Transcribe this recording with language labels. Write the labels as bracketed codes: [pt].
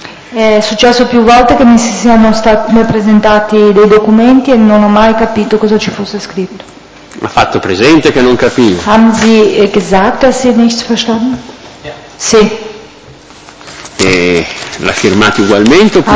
[it] È successo più volte che mi si siano stati presentati dei documenti e non ho mai capito cosa ci fosse scritto. Ha fatto presente che non capivo. [de] Haben Sie gesagt, dass Sie nichts verstanden? Ja. [it] Sì. E l'ha firmato ugualmente oppure?